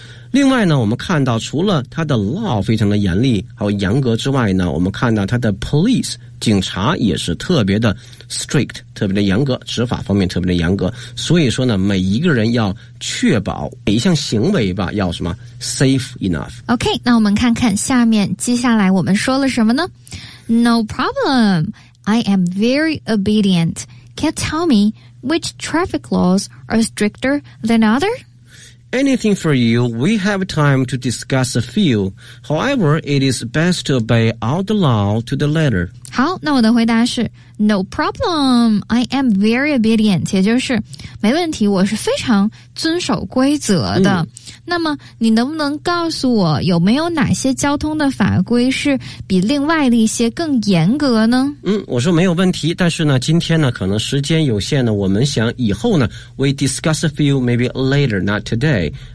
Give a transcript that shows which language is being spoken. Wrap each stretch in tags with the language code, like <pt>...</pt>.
<zh>另外呢，我们看到除了他的 law 非常的严厉还有严格之外呢，我们看到他的 police 警察也是特别的 strict， 特别的严格，执法方面特别的严格。所以说呢，每一个人要确保每一项行为吧，要什么</zh> <en>safe enough。</en> <zh>OK， 那我们看看下面接下来我们说了什么呢。</zh> <en>No problem， I am very obedient， can't tell me which traffic laws are stricter than other？ Anything for you, we have time to discuss a few. However, it is best to obey all the law to the letter.</en> <zh>好，那我的回答是</zh> <en>No problem, I am very obedient.</en> <zh>也就是没问题，我是非常遵守规则的。那么你能不能告诉我有没有哪些交通的法规是比另外的一些更严格呢？嗯，我说没有问题，但是呢今天呢可能时间有限呢，我们想以后呢</zh> <en>we discuss a few maybe later, not today。</en>